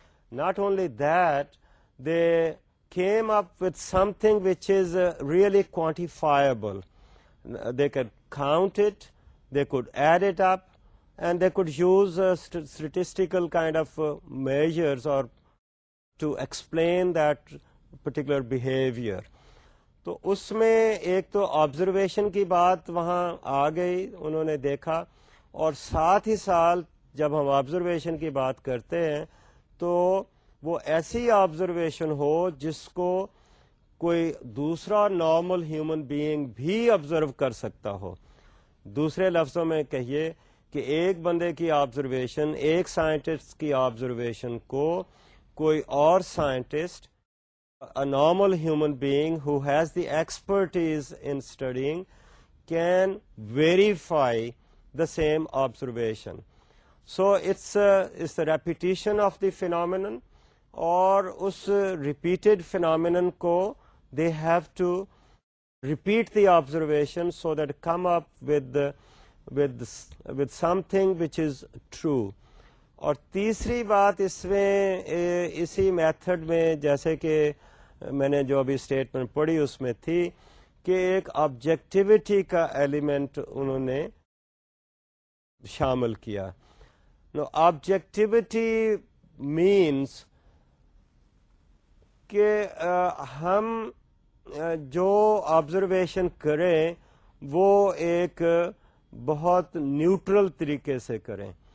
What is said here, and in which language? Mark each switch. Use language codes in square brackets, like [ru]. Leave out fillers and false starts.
[en] Not only that, they came up with something which is really quantifiable. They could count it, they could add it up, and they could use statistical kind of measures or to explain that particular behavior. [ur] تو اس میں ایک تو observation کی بات وہاں آ گئی, انہوں نے دیکھا, اور ساتھ ہی سال جب ہم آبزرویشن کی بات کرتے ہیں تو وہ ایسی آبزرویشن ہو جس کو کوئی دوسرا نارمل ہیومن بینگ بھی آبزرو کر سکتا ہو. دوسرے لفظوں میں کہیے کہ ایک بندے کی آبزرویشن, ایک سائنٹسٹ کی آبزرویشن کو کوئی اور scientist, [en] a normal human being who has the expertise in studying can verify the same observation. So it's the repetition of the phenomenon, or us repeated phenomenon ko they have to repeat the observation so that come up with something which is true. [ur] Aur teesri baat isme isi method mein jaise ki میں نے جو ابھی statement پڑھی اس میں تھی کہ ایک objectivity کا ایلیمنٹ انہوں نے شامل کیا. نو آبجیکٹیوٹی مینس کہ ہم جو آبزرویشن کریں وہ ایک بہت نیوٹرل طریقے سے کریں.